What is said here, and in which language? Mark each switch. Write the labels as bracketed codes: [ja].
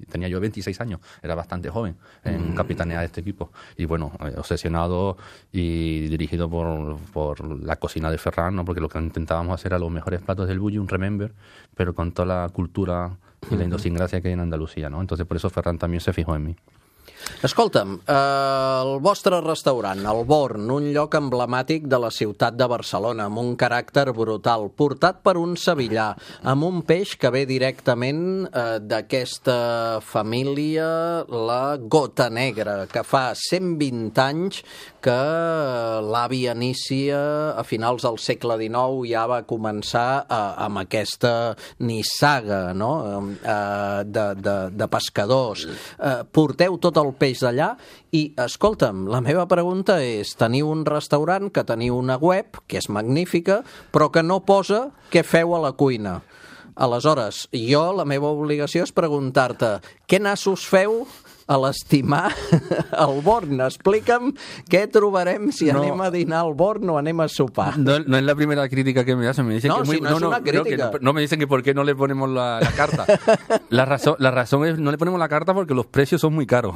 [es] Tenía yo 26 años, era bastante joven en capitanear este equipo. Y bueno, obsesionado y dirigido por la cocina de Ferran, ¿no? Porque lo que intentábamos hacer era los mejores platos del Bulli, un remember, pero con toda la cultura y la idiosincrasia que hay en Andalucía, ¿no? Entonces, por eso Ferran también se fijó en mí. [ca] Escolta'm, el vostre restaurant, el Born, un lloc emblemàtic de la ciutat de Barcelona, amb un caràcter brutal, portat per un sevillà, amb un peix que ve directament d'aquesta família, la Gota Negra, que fa 120 anys que l'avi inicia a finals del segle XIX ja va començar amb aquesta nissaga, no? De pescadors. Porteu tot el peix d'allà i, escolta'm, la meva pregunta és, teniu un restaurant que teniu una web, que és magnífica, però que no posa què feu a la cuina. Aleshores, jo, la meva obligació és preguntar-te, què nassos feu a l'estimar el Born? Explica'm què trobarem si no anem a dinar al Born o anem a sopar. No és la primera crítica que [es] me hacen. Me dicen no, que si muy, no, no, no, no, que no me dicen que por qué no le ponemos la carta. La razón es no le ponemos la carta porque los precios son muy caros.